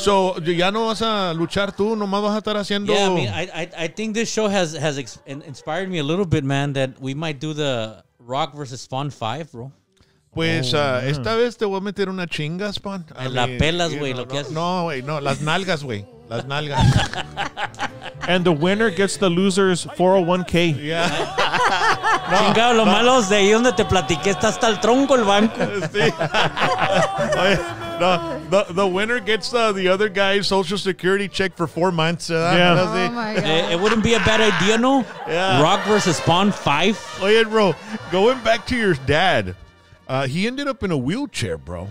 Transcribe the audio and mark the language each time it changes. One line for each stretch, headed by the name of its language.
Spanish: So, ya no vas a luchar tú, nomás vas a estar haciendo...
English: Yeah, I mean, I think this show has inspired me a little bit, man, that we might do the Rock versus Spawn 5, bro.
Spanish: Pues, esta vez te voy a meter una chinga, Spawn. Pelas, güey, lo que haces. No, güey, no, las nalgas, güey. Las nalgas.
English: And the winner gets the loser's 401k. Yeah.
Spanish: No, chingado, lo malo es de ahí donde te platiqué. Está hasta el tronco el banco. Sí.
English: Oye, no, the winner gets the other guy's social security check for 4 months. Yeah. Oh, my God. It wouldn't be a bad idea, no? Yeah. Rock versus Spawn 5. Oye, bro, going back to your dad, he ended up in a wheelchair, bro.